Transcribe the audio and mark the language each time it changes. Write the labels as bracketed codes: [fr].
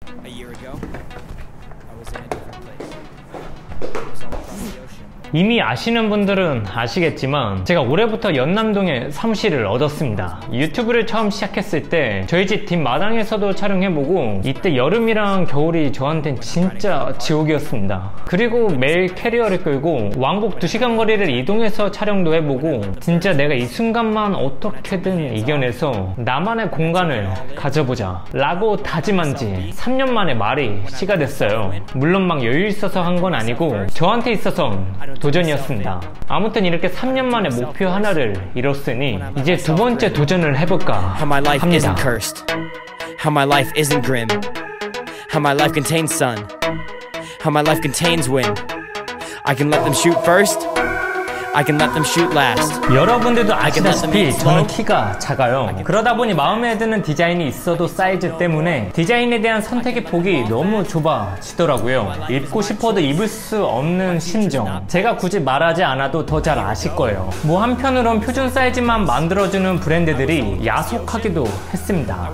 [en] A year ago, I was in a different place. I was all across the ocean. [ko] 이미 아시는 분들은 아시겠지만 제가 올해부터 연남동에 사무실을 얻었습니다. 유튜브를 처음 시작했을 때 저희 집 뒷마당에서도 촬영해보고 이때 여름이랑 겨울이 저한텐 진짜 지옥이었습니다. 그리고 매일 캐리어를 끌고 왕복 2시간 거리를 이동해서 촬영도 해보고 진짜 내가 이 순간만 어떻게든 이겨내서 나만의 공간을 가져보자 라고 다짐한 지 3년 만에 말이 씨가 됐어요. 물론 막 여유 있어서 한 건 아니고 저한테 있어서는 도전이었습니다. 아무튼 이렇게 3년 만에 목표 하나를 이뤘으니 이제 두 번째 도전을 해볼까 합니다. [en] How my life isn't grim. How my life contains sun. How my life contains wind. I can let them shoot first. I can let them shoot last. [ko] 여러분들도 아시다시피 저는 키가 작아요. 그러다 보니 마음에 드는 디자인이 있어도 사이즈 때문에 디자인에 대한 선택의 폭이 너무 좁아지더라고요. 입고 싶어도 입을 수 없는 심정. 제가 굳이 말하지 않아도 더 잘 아실 거예요. 뭐 한편으론 표준 사이즈만 만들어주는 브랜드들이 야속하기도 했습니다.